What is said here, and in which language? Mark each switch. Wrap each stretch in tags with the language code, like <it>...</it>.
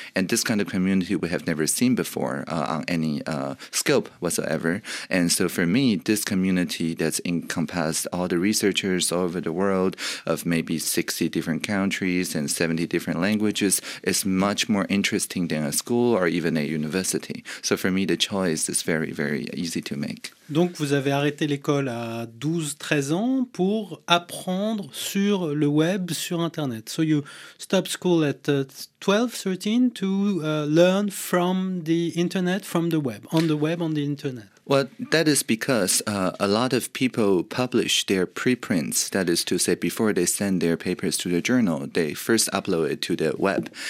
<en>And this kind of community we have never seen before on any scope whatsoever. And so for me, this community that's encompassed all the researchers all over the world of maybe 60 different countries and 70 different languages is much more interesting than a school or even a university. So for me, the choice is very, very easy to make.</en> <fr>Donc, vous avez arrêté l'école à 12-13 ans pour apprendre sur le web, sur Internet.</fr> <en>So, you stopped school at 12-13 to learn from the Internet, from the web, on the web, on the Internet. Well, that is because a lot of people publish their preprints. That is to say, before they send their papers to the journal, they first upload it to the web.</en>